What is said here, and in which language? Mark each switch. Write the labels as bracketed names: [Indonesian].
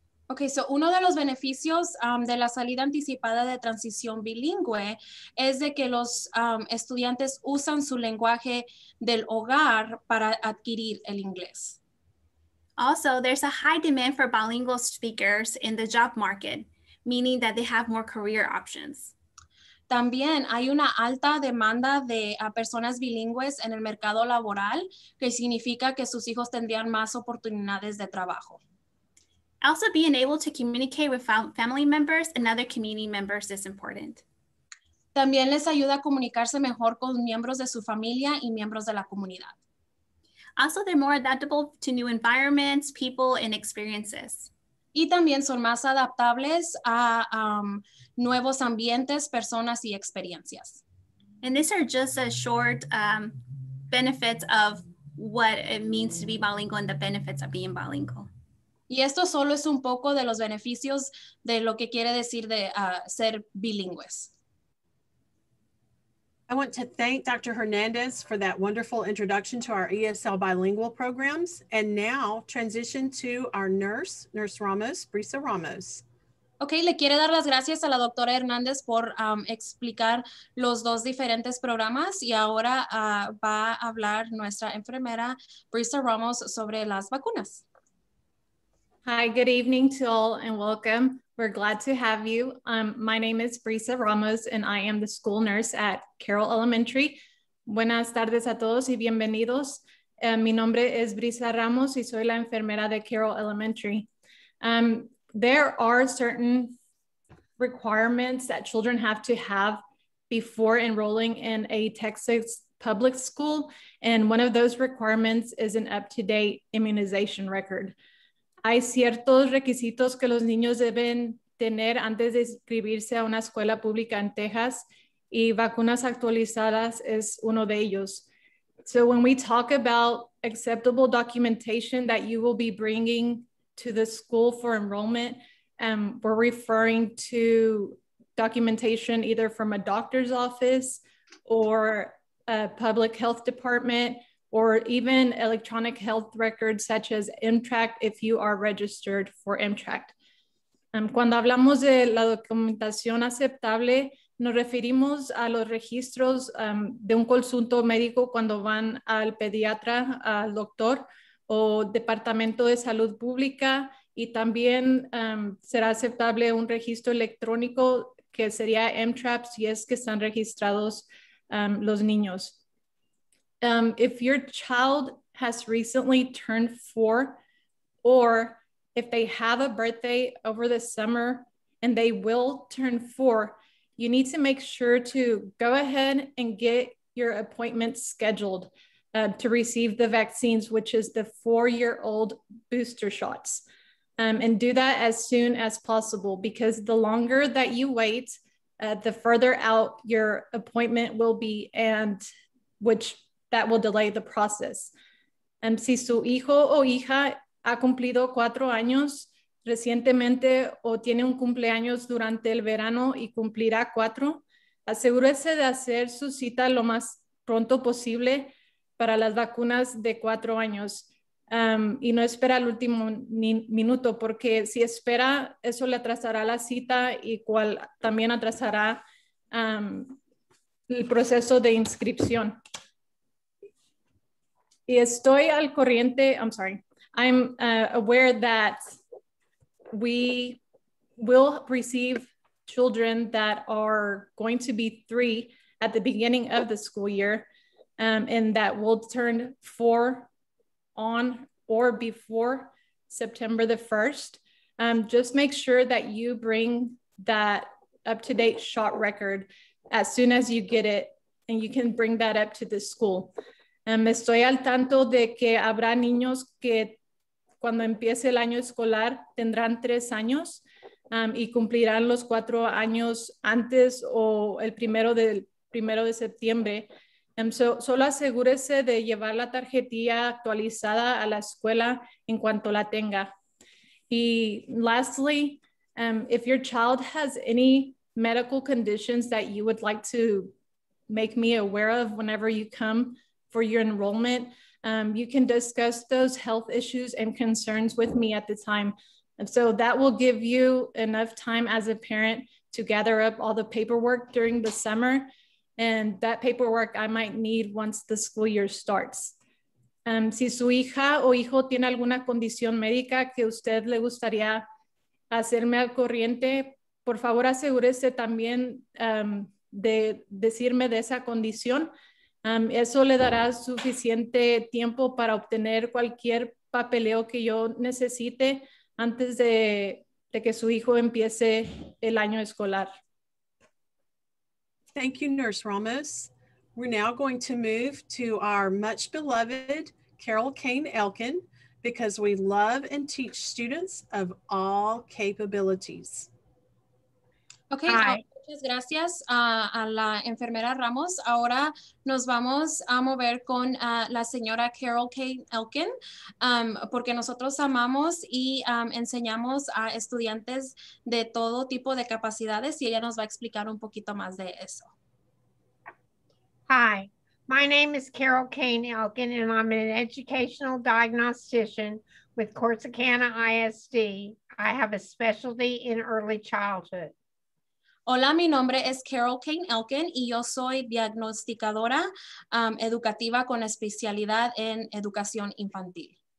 [English] Okay, so [Spanish] uno de los beneficios de la salida anticipada de transición bilingüe es de que los estudiantes usan su lenguaje del hogar para adquirir el inglés. [English] Also, there's a high demand for bilingual speakers in the job market, meaning that they have more career options. [Spanish] También hay una alta demanda de personas bilingües en el mercado laboral, que significa que sus hijos tendrían más oportunidades de trabajo. [English] Also, being able to communicate with family members and other community members is important. [Spanish] También les ayuda a comunicarse mejor con miembros de su familia y miembros de la comunidad. [English] Also, they're more adaptable to new environments, people, and experiences. [Spanish] Y también son más adaptables a nuevos ambientes, personas y experiencias. [English] And these are just a short benefits of what it means to be bilingual and the benefits of being bilingual. [Spanish] Y esto solo es un poco de los beneficios de lo que quiere decir de ser bilingües. [English] I want to thank Dr. Hernandez for that wonderful introduction to our ESL bilingual programs. And now transition to our nurse, Nurse Ramos, Brisa Ramos. [Spanish] Okay, le quiero dar las gracias a la doctora Hernandez por explicar los dos diferentes programas. Y ahora va a hablar nuestra enfermera, Brisa Ramos, sobre las vacunas. [English] Hi, good evening to all and welcome. We're glad to have you. My name is Brisa Ramos and I am the school nurse at Carroll Elementary. [Spanish] Buenas tardes a todos y bienvenidos. Mi nombre es Brisa Ramos y soy la enfermera de Carroll Elementary. [English] There are certain requirements that children have to have before enrolling in a Texas public school. And one of those requirements is an up-to-date immunization record. [Spanish] Hay ciertos requisitos que los niños deben tener antes de inscribirse a una escuela pública en Texas y vacunas actualizadas es uno de ellos. [English] So when we talk about acceptable documentation that you will be bringing to the school for enrollment, we're referring to documentation either from a doctor's office or a public health department, or even electronic health records such as MTRAC if you are registered for MTRAC. [Spanish] Cuando hablamos de la documentación aceptable, nos referimos a los registros de un consulto médico cuando van al pediatra, al doctor o departamento de salud pública, y también será aceptable un registro electrónico que sería MTRAP si es que están registrados los niños. [English] If your child has recently turned 4 or if they have a birthday over the summer and they will turn 4, you need to make sure to go ahead and get your appointment scheduled to receive the vaccines, which is the 4-year-old booster shots, and do that as soon as possible, because the longer that you wait, the further out your appointment will be, and which that will delay the process. [Spanish] Si su hijo o hija ha cumplido 4 años, recientemente o tiene un cumpleaños durante el verano y cumplirá 4, asegúrese de hacer su cita lo más pronto posible para las vacunas de 4 años, y no espera al último minuto, porque si espera, eso le atrasará la cita y cual también atrasará el proceso de inscripción. Y estoy al corriente, [English] aware that we will receive children that are going to be 3 at the beginning of the school year, and that will turn 4 on or before September the 1st. Just make sure that you bring that up-to-date shot record as soon as you get it, and you can bring that up to the school. [Spanish] Estoy al tanto de que habrá niños que cuando empiece el año escolar tendrán 3 años y cumplirán los 4 años antes o el primero de septiembre. Solo asegúrese de llevar la tarjetilla actualizada a la escuela en cuanto la tenga. [English] Y lastly, if your child has any medical conditions that you would like to make me aware of whenever you come for your enrollment, you can discuss those health issues and concerns with me at the time. And so that will give you enough time as a parent to gather up all the paperwork during the summer. And that paperwork I might need once the school year starts. [Spanish] Si su hija o hijo tiene alguna condición médica que usted le gustaría hacerme al corriente, por favor asegúrese también de decirme de esa condición. Eso le dará suficiente tiempo para obtener cualquier papeleo que yo necesite antes de que su hijo empiece el año escolar. [English] Thank you, Nurse Ramos. We're now going to move to our much beloved Carol Kane Elkin, because we love and teach students of all capabilities. Okay. Hi. [Spanish] Muchas gracias a la enfermera Ramos. Ahora nos vamos a mover con la señora Carroll Kane Elkin, porque nosotros amamos y enseñamos a estudiantes de todo tipo de capacidades, y ella nos va a explicar un poquito más de eso. [English] Hi, my name is Carroll Kane Elkin, and I'm an educational diagnostician with Corsicana ISD. I have a specialty in early childhood. [Spanish] Hola, mi nombre es Carroll Kane Elkin y yo soy diagnosticadora educativa con especialidad en educación infantil.